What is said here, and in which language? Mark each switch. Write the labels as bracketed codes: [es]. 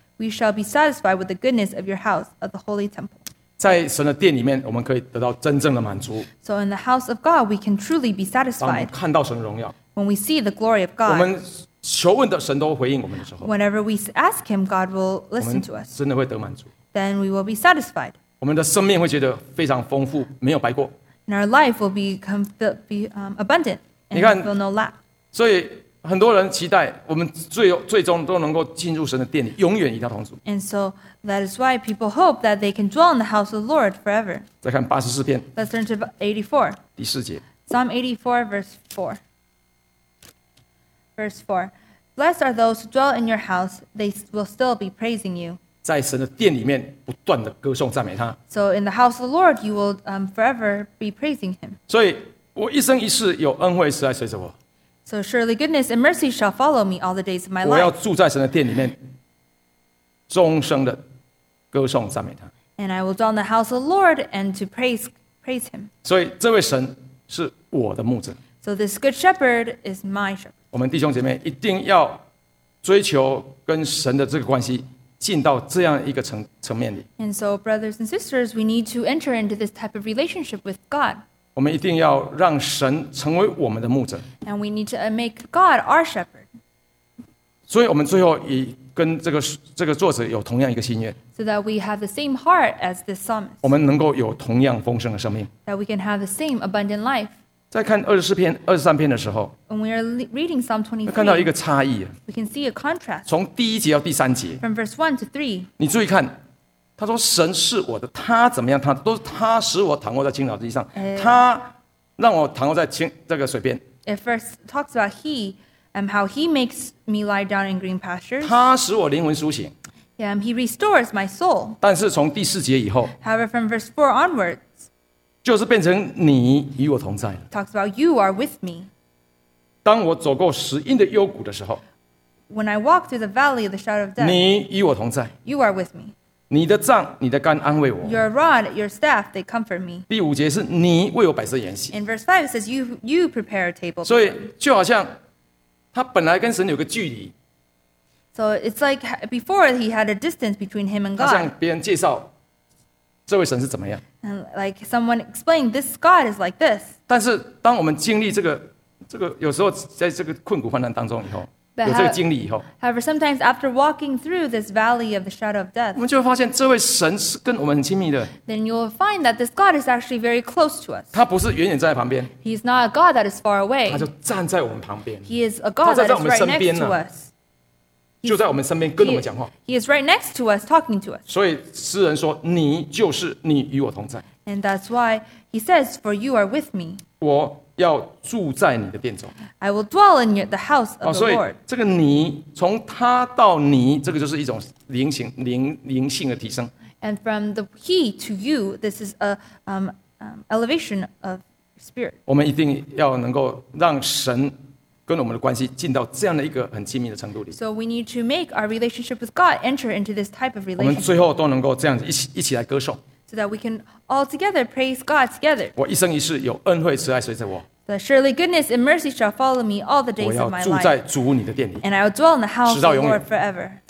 [en] We shall be satisfied with the goodness of your house, of the holy temple. [zh] 在神的殿里面，我们可以得到真正的满足。 [en] So in the house of God, we can truly be satisfied. [zh] 当我们看到神的荣耀。 [en] When we see the glory of God. [zh] 我们求问的神都回应我们的时候。 [en] Whenever we ask him, God will listen to us. [zh] 真的会得满足。 [en] Then we will be satisfied. [zh] 我们的生命会觉得非常丰富，没有白过。 [en] And our life will be abundant. [zh] 你看，所以很多人期待我们最终都能够进入神的殿里，永远与他同住。 [en] And so that is why people hope that they can dwell in the house of the Lord forever. [zh] 再看八十四篇。 [en] Let's turn to 84. [zh] 第四节。 [en] Psalm 84, verse 4. Blessed are those who dwell in your house; they will still be praising you. [zh] 在神的殿里面，不断的歌颂赞美他。 [en] So in the house of the Lord, you will forever be praising Him. [zh] 所以。我一生一世有恩惠慈爱随着我。 [en] So surely goodness and mercy shall follow me all the days of my life. [zh] 我要住在神的殿里面，终生的歌颂赞美他。 [en] And I will dwell in the house of the Lord and to praise him. [zh] 所以这位神是我的牧者。 [en] So this good shepherd is my shepherd. [zh] 我们弟兄姐妹一定要追求跟神的这个关系。进到这样一个层面里。 [en] And so brothers and sisters, we need to enter into this type of relationship with God. [zh] 我们一定要让神成为我们的牧者。 [en] And we need to make God our shepherd. [zh] 所以我们最后也跟这个作者有同样一个心愿。 [en] So that we have the same heart as this psalmist. [zh] 我们能够有同样丰盛的生命。 [en] That we can have the same abundant life. [zh] 在看二十三篇的时候。 [en] When we are reading Psalm 23. [zh] 看到一个差异。 [en] We can see a contrast. [zh] 从第一节到第三节。 [en] From verse 1 to 3. [zh] 你注意看。他说：“神是我的，他怎么样？他都是他使我躺卧在青草地上，他让我躺卧在这个水边。” [en] It first talks about he and how he makes me lie down in green pastures. [zh] 他使我灵魂苏醒。 [en] He restores my soul. [zh] 但是从第四节以后 [en] ，However, from verse 4 onwards， [zh] 就是变成你与我同在。 [en] Talks about you are with me。 [zh] 当我走过死荫的幽谷的时候 [en] ，When I walk through the valley of the shadow of death， [zh] 你与我同在。 [en] You are with me。 [zh] 你的杖，你的竿安慰我。 [en] Your rod, your staff, they comfort me。 [zh] 第五节是你为我摆设筵席。 [en] In verse 5 it says you prepare a table。 [zh] 所以就好像他本来跟神有个距离。 [en] So it's like before he had a distance between him and God. [zh] 他向别人介绍这位神是怎么样。 [en] And like someone explained, this God is like this. [zh] 但是当我们经历这个，有时候在这个困苦患难当中以后。 [en] But、 [zh] 有这个经历以后 [en] ，However, sometimes after walking through this valley of the shadow of death， [zh] 我们就会发现这位神是跟我们很亲密的。 [en] Then you will find that this God is actually very close to us。 [zh] 他不是远远站在旁边。 [en] He's not a God that is far away。 [zh] 他就站在我们旁边。 [en] He is a God that is right next to us。 [zh] 就在我们身边跟我们讲话。 [en] He is right next to us, talking to us。 [zh] 所以诗人说：“你就是你与我同在。 [en] ”And that's why he says, "For you are with me." [zh] 我要住在你的殿中。 [en] I will dwell in the house of the Lord. [zh] 所以这个你从他到你，这个就是一种灵性的提升。 [en] And from the he to you, this is a elevation of spirit. [zh] 我们一定要能够让神跟我们的关系进到这样的一个很亲密的程度里。 [en] So we need to make our relationship with God enter into this type of relationship. [zh] 我们最后都能够这样一起来歌颂。 [en] So that we can all together praise God together. [zh] 我一生一世有恩惠慈爱随着我。 [en] The surely goodness and mercy shall follow me all the days of my life. [zh] 我要住在主你的殿里。 [en] And I will dwell in the house of the Lord forever.